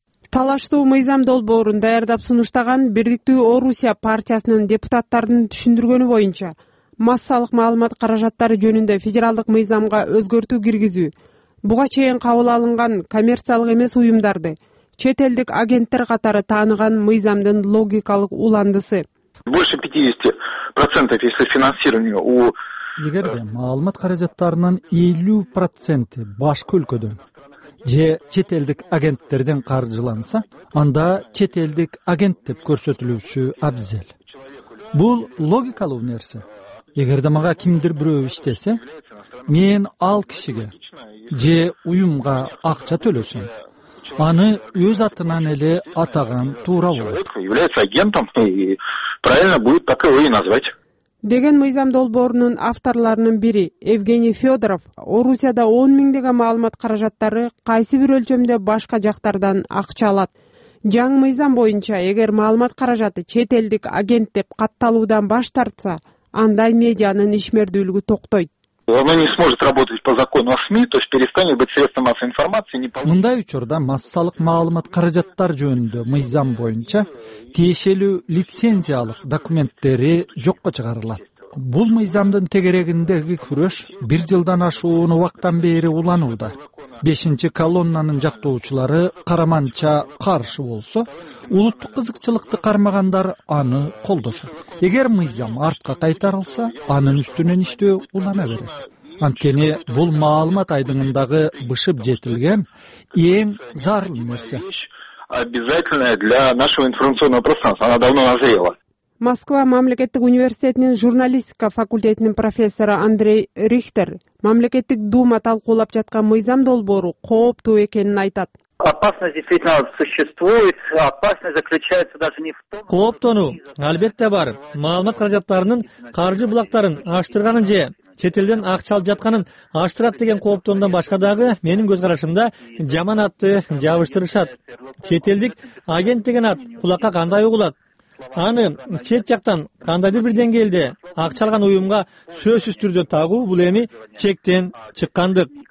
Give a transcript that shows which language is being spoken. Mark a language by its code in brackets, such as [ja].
[ky] Талаштуу мыйзам долбоорун даярдап сунуштаган Бирдиктүү Орусия партиясынын депутаттарынын түшүндүргөнү боюнча массалык маалымат каражаттары жөнүндө федералдык мыйзамга өзгөртүү киргизүү, буга чейин кабыл алынган коммерциялык эмес уюмдарды чет элдик агенттер катары тааныган мыйзамдын логикалык уландысы. [ru] Больше 50% если финансирование у [ky] Эгерде маалымат каражаттарынын 50% башка өлкөдөн же чет элдик агенттерден каржыланса, анда чет элдик агент деп көрсөтүлүшү абзел. Бул логикалуу нерсе. Эгерде мага кимдир бирөө иштесе, мен ал кишиге же уюмга акча төлөсөм, аны өз атынан эле атаган туура болот. [ru] Является агентом, правильно будет так его и назвать. [ky] Деген мыйзам долбоорунун авторларынын бири Евгений Федоров Орусияда 10,000 маалымат каражаттары кайсы бир өлчөмдө башка жактардан акча алат. Жаңы мыйзам боюнча эгер маалымат каражаты чет элдик агент деп катталуудан баш тартса, андай медианын ишмердүүлүгү токтойт. [ru] Оно не сможет работать по закону о СМИ, то есть перестанет быть средством массовой информации. [ky] Мындай учурда массалык маалымат каражаттар жөнүндө мыйзам боюнча тиешелүү лицензиялык документтери жокко чыгарылат. Бул мыйзамдын тегерегиндеги күрөш бир жылдан ашуун убакыттан бери уланууда. Бешинчи колоннанын жактоочулары караманча каршы болсо, улуттук кызыкчылыкты кармагандар аны колдошот. Эгер мыйзам артка кайтарылса, анын үстүнөн иштөө улана берет. Анткени бул маалымат айдыңындагы бышып жетилген эң зарыл нерсе. [ru] Обязательная для нашего информационного пространства. Она давно назрела. [ky] Москва мамлекеттик университетинин журналистика факультетинин профессору Андрей Рихтер мамлекеттик дума талкуулап жаткан мыйзам долбоору кооптуу экенин айтат. [ru] Опасность действительно существует. Опасность заключается даже не в том, [ky] кооптонуу албетте бар. Маалымат каражаттарынын каржы булактарын ачтырганын же чет элден акча алып жатканын аштырат деген кооптоондон башка дагы менин көз карашымда жаман атты жабыштырышат. Чет элдик агент деген ат кулакка кандай угулат? Аны чет жактан кандайдыр бир деңгээлде акча алган уюмга сөзсүз түрдө тагуу бул эми чектен чыккандык.